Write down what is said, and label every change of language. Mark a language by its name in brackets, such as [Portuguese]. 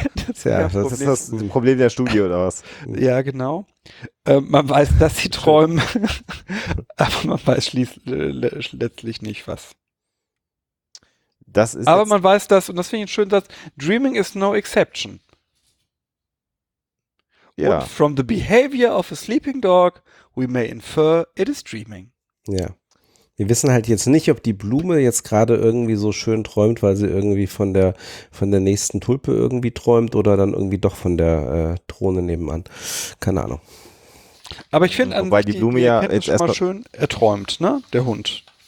[German] Das ist das Problem der Studie oder was? Ja, genau. Man weiß, dass sie träumen, aber man weiß letztlich nicht, was. Das ist. Aber man weiß das, und das finde ich einen schönen Satz: [English] Dreaming is no exception. [German] Ja. [English] And from the behavior of a sleeping dog, we may infer it is dreaming. [German] Ja. Wir wissen halt jetzt nicht, ob die Blume jetzt gerade irgendwie so schön träumt, weil sie irgendwie von der nächsten Tulpe irgendwie träumt oder dann irgendwie doch von der Drohne nebenan. Keine Ahnung. Aber ich finde, weil die Blume ja jetzt erstmal schön erträumt, ne? Der Hund.